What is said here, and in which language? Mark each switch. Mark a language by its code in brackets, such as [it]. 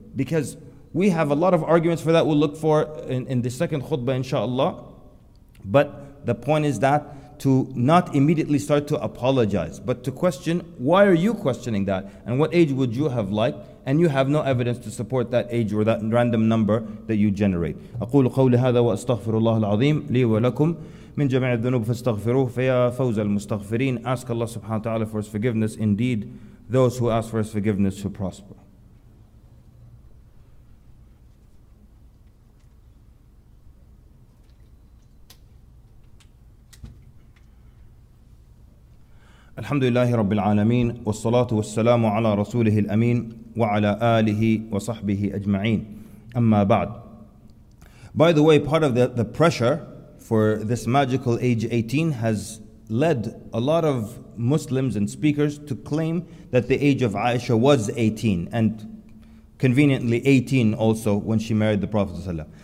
[en] Because we have a lot of arguments for that we'll look for in the second khutbah, inshallah. But the point is that to not immediately start to apologize, but to question, why are you questioning that? And what age would you have liked? And you have no evidence to support that age or that random number that you generate. [ar] أقول قولي هذا وأستغفر الله العظيم لي ولكم من جميع الذنوب فاستغفروه فيا فوز المستغفرين. [en] Ask Allah subhanahu wa ta'ala for His forgiveness. Indeed, those who ask for His forgiveness shall prosper. [ar] الحمد لله رب العالمين والصلاة والسلام على رسوله الأمين وعلى آله وصحبه أجمعين. أما بعد. [en] By the way, part of the pressure for this magical age 18 has led a lot of Muslims and speakers to claim that the age of Aisha was 18, and conveniently 18 also when she married the Prophet ﷺ.